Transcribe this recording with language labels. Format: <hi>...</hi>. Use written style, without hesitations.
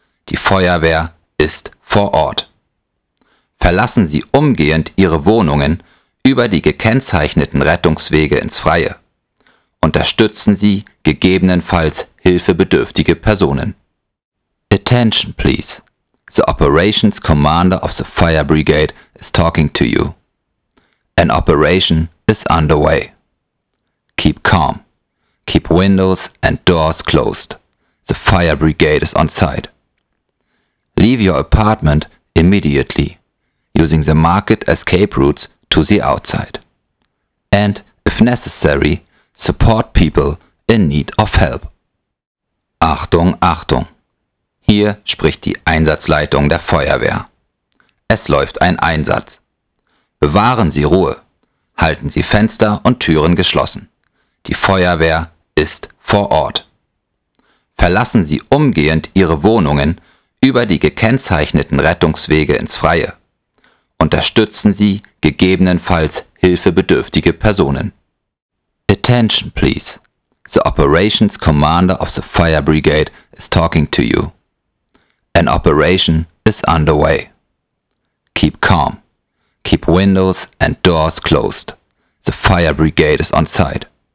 <de>Die Feuerwehr ist vor Ort. Verlassen Sie umgehend Ihre Wohnungen über die gekennzeichneten Rettungswege ins Freie. Unterstützen Sie gegebenenfalls hilfebedürftige Personen.</de> <en>Attention, please. The Operations Commander of the Fire Brigade is talking to you. An operation is underway. Keep calm. Keep windows and doors closed. The Fire Brigade is on site. Leave your apartment immediately, using the market escape routes to the outside. And, if necessary, support people in need of help.</en> <de>Achtung, Achtung! Hier spricht die Einsatzleitung der Feuerwehr. Es läuft ein Einsatz. Bewahren Sie Ruhe. Halten Sie Fenster und Türen geschlossen. Die Feuerwehr ist vor Ort. Verlassen Sie umgehend Ihre Wohnungen über die gekennzeichneten Rettungswege ins Freie. Unterstützen Sie gegebenenfalls hilfebedürftige Personen.</de> <en>Attention, please. The Operations Commander of the Fire Brigade is talking to you. An operation is underway. Keep calm. Keep windows and doors closed. The Fire Brigade is on site.</en>